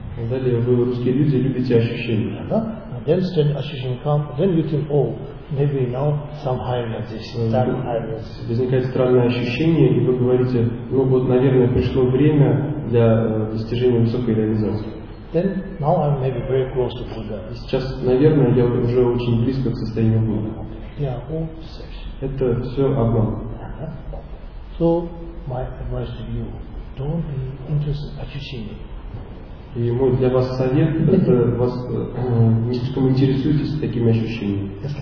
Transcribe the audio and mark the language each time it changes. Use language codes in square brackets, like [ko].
[ru] Далее вы, русские люди, любите ощущения. [en] Then strange [ru] ощущение [en] come, then you think, oh, maybe now some higher than this, some higher than this. [ru] Возникает странное ощущение, и вы говорите, ну вот, наверное, пришло время для достижения высокой реализации. [en] Then now I'm maybe very close to Buddha. [ru] Сейчас, наверное, я уже очень близко к состоянию Будды. [en] Yeah, all deception. [ru] Это все обман. [en] So my advice to you, don't be interested in [ru] ощущение. И мой для вас совет, это вас не слишком интересуетесь такими ощущениями.